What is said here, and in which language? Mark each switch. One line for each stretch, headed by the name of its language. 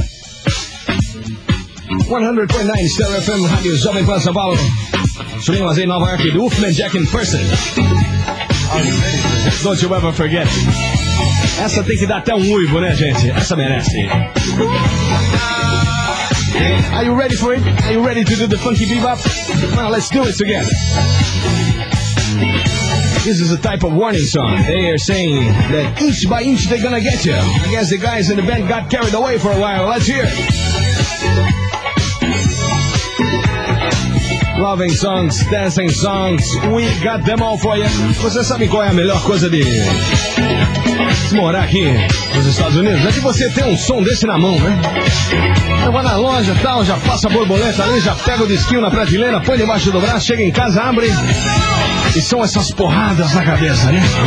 Portuguese: 100.9 Stereo FM, Rádio Jovem Pan, São Paulo. Julinho Lazer, Nova York, do Wolfman Jack in Person.
English: Don't you ever forget.
Portuguese: Essa tem que dar até um uivo, né, gente? Essa merece.
English: Are you ready for it? Are you ready to do the funky bebop? Well, let's do it together. This is a type of warning song. They are saying that inch by inch they're gonna get you. I guess the guys in the band got carried away for a while. Let's hear it. Loving songs, dancing songs, we got them all for you.
Portuguese: Você sabe qual é a melhor coisa de morar aqui nos Estados Unidos? É que você tem um som desse na mão, né? Eu vou na loja e tal, já passo a borboleta ali, já pego o disquinho na prateleira, põe debaixo do braço, chega em casa, abre. E são essas porradas na cabeça, né?